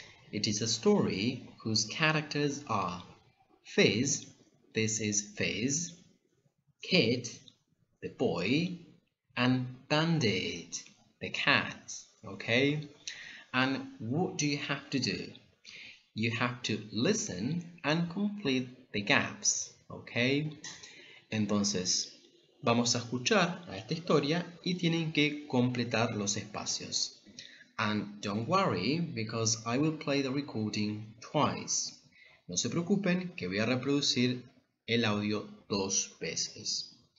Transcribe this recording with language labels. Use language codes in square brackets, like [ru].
[en] It is a story whose characters are Fizz, this is Fizz, Kit, the boy, and Bandit, the cat, okay? And what do you have to do? You have to listen and complete the gaps, okay? [es] Entonces, vamos a escuchar a esta historia y tienen que completar los espacios. [en] And don't worry, because I will play the recording twice. [es] No se preocupen, que voy a reproducir el audio dos veces.